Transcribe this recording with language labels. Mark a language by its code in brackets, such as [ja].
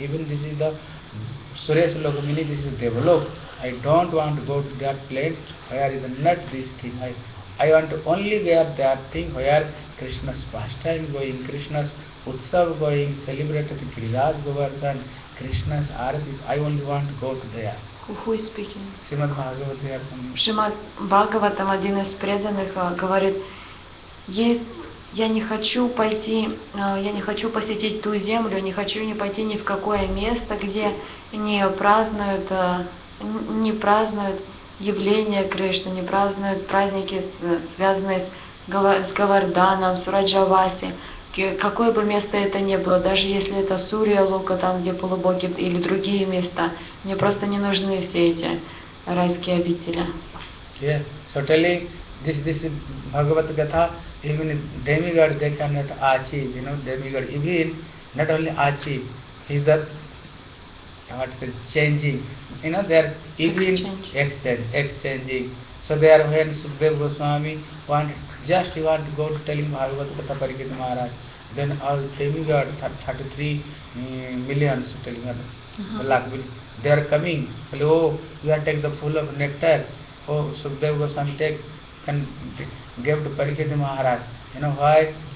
[en] Even this is the Suresa Loka, meaning this is Devalok. I don't want to go to that plane where is not this thing. I want to only wear that thing where Krishna's pastime going, Krishna's Utsav going, celebrated Giriraj Govardhan, Krishna's Arati. I only want to go to there. Who is speaking? Srimad Bhagavatam. [ru] Srimad Bhagavatam, один из преданных, говорит, я не хочу посетить ту землю, не хочу ни пойти ни в какое место, где не празднуют явление Кришны, не празднуют праздники, связанные с Говарданом, с Раджаваси, какое бы место это ни было, даже если это Сурья Лука, там где полубоги или другие места, мне просто не нужны все эти райские обители. [en] Yeah. So telling this is Bhagavad Gatha. Even demigods they cannot achieve, you know, demigods, even not only achieve, is that what is changing, you know, they are even exchanging. So they are when Sukadeva Goswami want to go to telling Bhagavad Gatha Parikit Maharaj, then all demigods, 33 million, telling them, they are coming, hello, you are taking the full of nectar, oh, Sukadeva Goswami gave to Parikit Maharaj. You know why?